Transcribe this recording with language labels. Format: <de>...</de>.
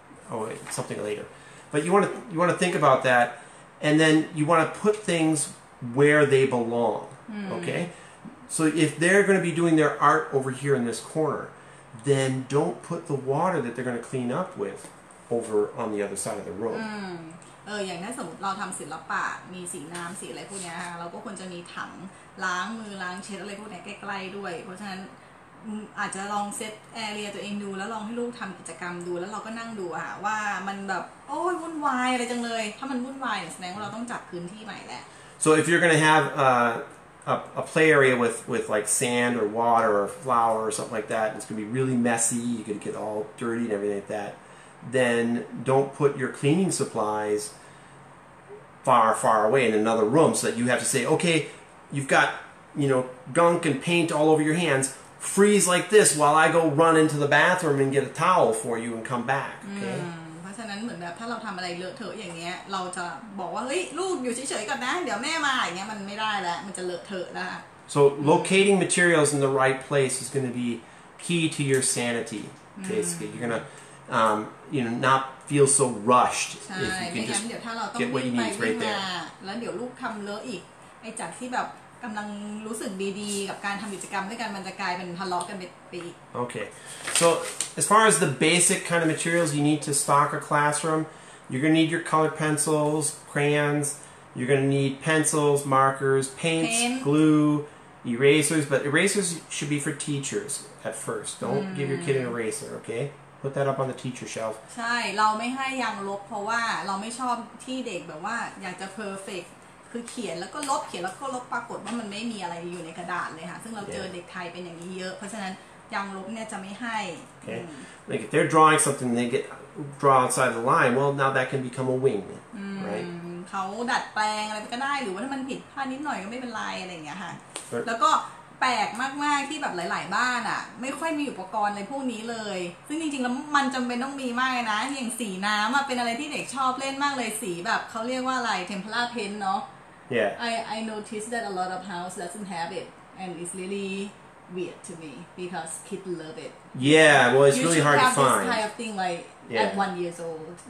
<en>Okay, something later. But you want to think about that, and then you want to put things where they belong. Mm. Okay, so if they're going to be doing their art over here in this corner, then don't put the water that they're going to clean up with over on the other side of the room. Mm.</en> <th>อย่างนั้นสมมติเราทำศิลปะมีสีน้ำสีอะไรพวกนี้ค่ะเราก็ควรจะมีถังล้างมือล้างเช็ดอะไรพวกนี้ใกล้ๆด้วยเพราะฉะนั้นอาจจะลองเซตแอเรียตัวเองดูแล้วลองให้ลูกทำกิจกรรมดูแล้วเราก็นั่งดูค่ะว่ามันแบบโอ้ยวุ่นวายอะไรจังเลยถ้ามันวุ่นวายแสดงว่าเราต้องจับพื้นที่ใหม่แล้ว</th> <en>So if you're gonna have a play area with like sand or water or flower or something like that it's gonna be really messy you're gonna get all dirty and everything like thatthen don't put your cleaning supplies far, far away in another room so that you have to say, okay, you've got, you know, gunk and paint all over your hands, freeze like this while I go run into the bathroom and get a towel for you and come back, okay?</en> <th>เพราะฉะนั้นเหมือนแบบถ้าเราทำอะไรเลอะเทอะอย่างเงี้ยเราจะบอกว่าเฮ้ยลูกอยู่เฉยๆก่อนนะเดี๋ยวแม่มาอย่างเงี้ยมันไม่ได้แล้วมันจะเลอะเทอะละ</th> <en>So locating materials in the right place is going to be key to your sanity, basically. You're going toYou know, not feel so rushed if you can just get what you need right there.</en> <th>แล้วเดี๋ยวลูกทำเลอะอีกไอ้จากที่แบบกำลังรู้สึกดีๆกับการทำกิจกรรมด้วยกันมันจะกลายเป็นทะเลาะกันไปอีก</th> <en>Okay, so as far as the basic kind of materials you need to stock a classroom, you're gonna need your colored pencils, crayons. You're gonna need pencils, markers, paints, glue, erasers. But erasers should be for teachers at first. Don't give your kid an eraser, okay? Put that up on the teacher shelf.</en> <th>ใช่เราไม่ให้ยางลบเพราะว่าเราไม่ชอบที่เด็กแบบว่าอยากจะเพอร์เฟกต์คือเขียนแล้วก็ลบเขียนแล้วก็ลบปรากฏว่ามันไม่มีอะไรอยู่ในกระดาษเลยค่ะซึ่งเราเจอเด็กไทยเป็นอย่างนี้เยอะเพราะฉะนั้นยางลบเนี่ยจะไม่ให้</th> <en>Okay. Like if they're drawing something, they get draw outside the line. Well, now that can become a wing, right?</en> <th>เขาดัดแปลงอะไรก็ได้หรือว่าถ้ามันผิดพลาดนิดหน่อยก็ไม่เป็นไรอะไรอย่างเงี้ยค่ะแล้วก็แปลกมากมากที่แบบหลายๆบ้านอ่ะไม่ค่อยมีอุปกรณ์อะไรพวกนี้เลยซึ่งจริงๆแล้วมันจำเป็นต้องมีมากนะอย่างสีน้ำอ่ะเป็นอะไรที่เด็กชอบเล่นมากเลยสีแบบเขาเรียกว่าอะไรเทมเพล่าเพ้นท์เนาะ</th> <en>Yeah I notice that a lot of house doesn't have it and it's really weird to me because kids love it Yeah well it's really hard to find this kind of thing like at 1 year old</en>